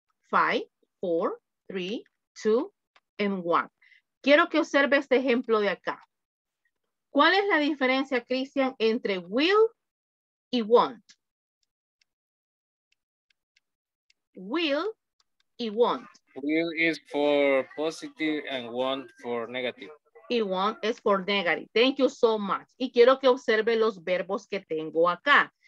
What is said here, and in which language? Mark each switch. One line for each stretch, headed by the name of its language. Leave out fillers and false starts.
English: 5, 4, 3, 2, and 1.
Spanish: Quiero que observe este ejemplo de acá. ¿Cuál es la diferencia, Cristian, entre will y won't? Will y won't.
English: Will is for positive and won't for negative. Y won't is for negative. Thank you so much.
Spanish: Y quiero que observe los verbos que tengo acá.